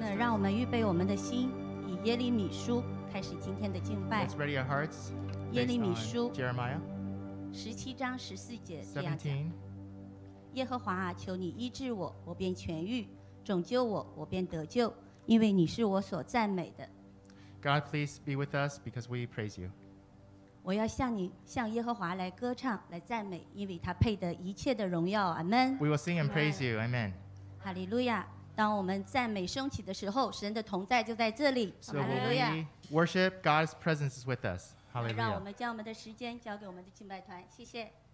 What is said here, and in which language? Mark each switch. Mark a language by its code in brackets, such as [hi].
[zh] 那让我们预备我们的心，以耶利米书开始今天的敬拜。 [en] Let's ready our hearts. [zh] 耶利米书 [en] Jeremiah 17:14 [zh] 这样讲。耶和华啊，求你医治我，我便痊愈；拯救我，我便得救，因为你是我所赞美的。 [en] God, please be with us because we praise you. [zh] 我要向你，向耶和华来歌唱，来赞美，因为他配得一切的荣耀。 [en] Amen. We will sing and praise you. Amen. Hallelujah. [zh] 当我们赞美升起的时候，神的同在就在这里。 [en] So when we worship, God's presence is with us. Hallelujah. [zh] 让我们将我们的时间交给我们的敬拜团，谢谢。